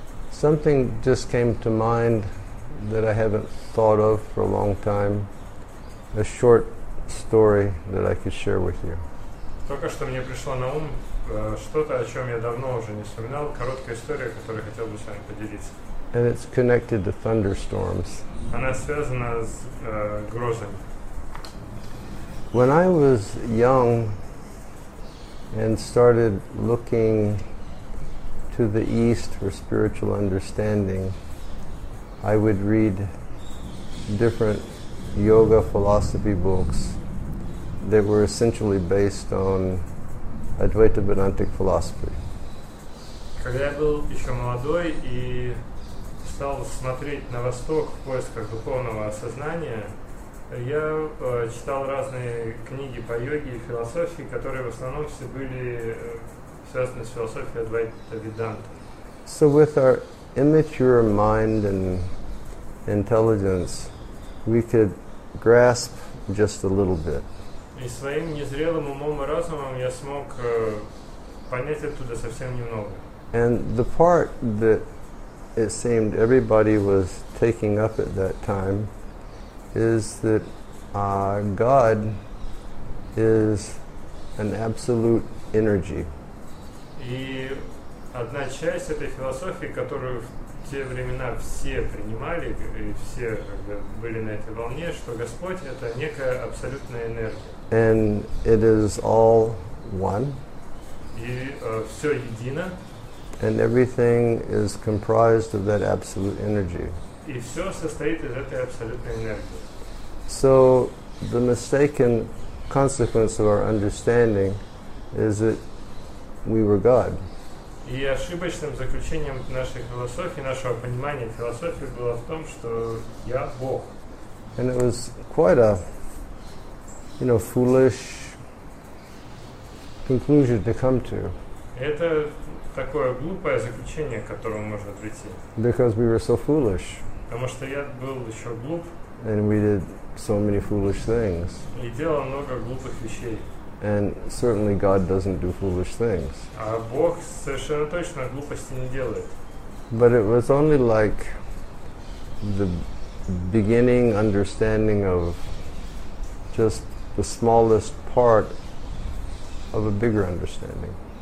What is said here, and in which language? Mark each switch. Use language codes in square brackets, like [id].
[en] Something just came to mind that I haven't thought of for a long time, a short story that I could share with you. [ru] Только что мне пришло на ум что-то, о чем я давно уже не вспоминал, короткая история, которую хотел бы с вами поделиться. [en] And it's connected to thunderstorms. [ru] Она связана с грозами. [en] When I was young and started looking to the east for spiritual understanding, I would read different yoga philosophy books that were essentially based on Advaita Vedantic philosophy. [ru] Когда я был еще молодой и стал смотреть на восток в поисках духовного осознания, я читал разные книги по йоге и философии, которые в основном все были связаны с философией Advaita Vedanta. [en] So with our immature mind and intelligence, we could grasp just a little bit. [ru] И своим незрелым умом и разумом я смог понять оттуда совсем немного. [en] And the part that it seemed everybody was taking up at that time is that God is an absolute energy. [ru] И одна часть этой философии, которую в те времена все принимали и все были на этой волне, что Господь это некая абсолютная энергия. [en] And it is all one. [ru] И все едино. [en] And everything is comprised of that absolute energy. [ru] И все состоит из этой абсолютной энергии. [en] So the mistaken consequence of our understanding is that we were God. [ru] И ошибочным заключением нашей философии, нашего понимания философии было в том, что я Бог. [en] And it was quite a foolish conclusion to come to. [ru] Это такое глупое заключение, к которому можно прийти. [en] Because we were so foolish. [ru] Потому что я был еще глуп. [en] And we did so many foolish things. [ru] И делал много глупых вещей. [en] And certainly God doesn't do foolish things. [ru] А Бог совершенно точно глупости не делает. [en] But it was only like the beginning understanding of just the smallest part of a bigger understanding.